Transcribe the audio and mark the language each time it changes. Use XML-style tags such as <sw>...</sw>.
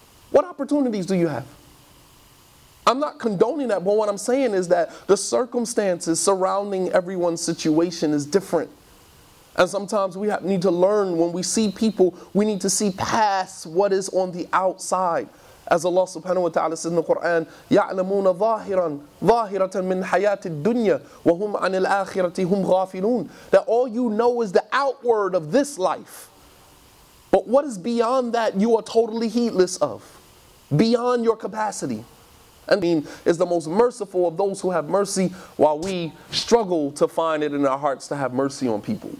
<en>What opportunities do you have? I'm not condoning that, but what I'm saying is that the circumstances surrounding everyone's situation is different. And sometimes we need to learn when we see people, we need to see past what is on the outside. As Allah subhanahu wa ta'ala says in the Quran,</en> <ar>يَعْلَمُونَ ظَاهِرًا ظَاهِرَةً مِنْ حَيَاةِ الدُّنْيَا وَهُمْ عَنِ الْآخِرَةِ هُمْ غَافِلُونَ.</ar> <en>That all you know is the outward of this life. But what is beyond that you are totally heedless of? Beyond your capacity. I mean, is the most merciful of those who have mercy, while we struggle to find it in our hearts to have mercy on people.</en>